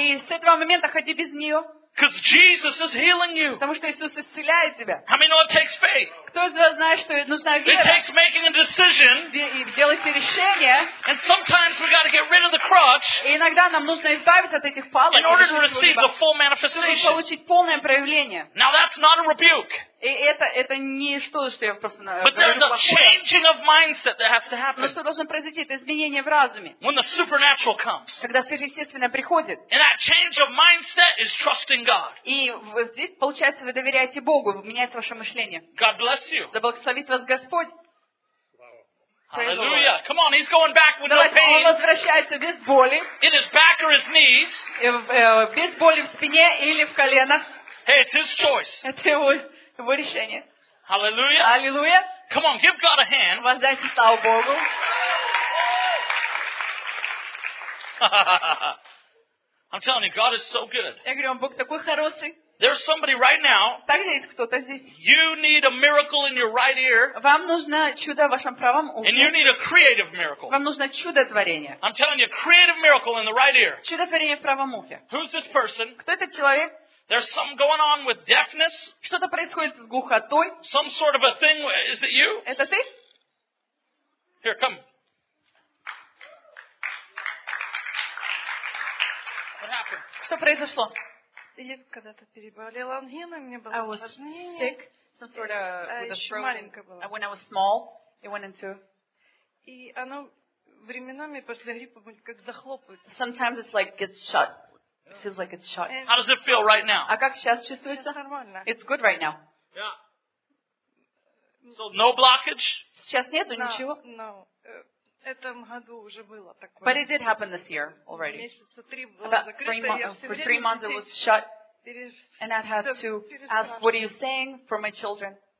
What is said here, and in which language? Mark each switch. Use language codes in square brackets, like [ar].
[ru] И с этого момента ходи без нее. [en] Because Jesus is healing you. [ru] Потому что Иисус исцеляет тебя. [en] How many know it takes faith? [ru] Кто из вас знает, что нужна вера? [en] It takes making a decision. [ru] Делать решение. [en] And sometimes we got to get rid of the crutch. [ru] И иногда нам нужно избавиться от этих палок. [en] In order to receive the full manifestation. [ru] Чтобы получить полное проявление. [en] Now that's not a rebuke. [ru] И это не что, что я просто. [en] But there's a changing of mindset that has to happen. [ru] Но что должно произойти? Это изменение в разуме. [en] When the supernatural comes. [ru] Когда сверхъестественное приходит. [en] And that change of mindset is trusting God. [ru] И здесь получается, вы доверяете Богу, меняется ваше мышление. [en] God bless you. [ru] Да благословит вас Господь. [en] Hallelujah! Come on, he's going back with no pain. [ru] Он возвращается без боли. [en] In his back or his knees. [ru] Без боли в спине или в коленах. [en] Hey, it's his choice. [ru] Это его. Его решение. [en] Hallelujah. Hallelujah. Come on, give God a hand. [ru] Воздайте славу Богу. [en] I'm telling you, God is so good. [ru] Я говорю вам, Бог такой хороший. [en] There's somebody right now. [ru] Так есть кто-то здесь. [en] You need a miracle in your right ear. [ru] Вам нужно чудо в вашем правом ухе. [en] And you need a creative miracle. [ru] Вам нужно чудо творения. [en] I'm telling you, creative miracle in the right ear. [ru] Чудо творения в правом ухе. [en] Who's this person? [ru] Кто этот человек? [en] There's something going on with deafness. [ru] Что-то происходит с глухотой. [en] Some sort of a thing. Is it you? [ru] Это ты? [en] Here, come. What happened? [ru] Что произошло? Я когда-то переболела ангиной, мне было осложнение. [en] I was sick. Some sort of with a broken. When I was small, it went into. [ru] И оно временами после гриппа как захлопывается. [en] Sometimes it's like gets shut. It feels like it's shot. How does it feel right now? [ru] А как сейчас чувствуется? [en] It's good right now. Yeah. So no blockage? [ru] Сейчас нету ничего? [en] No. [ru] Этом году уже было такое. [en] But it did happen this year already. [ru] Месяца три было закрыто. [en] For 3 months it was shut. And I'd have to ask, what are you saying for my children?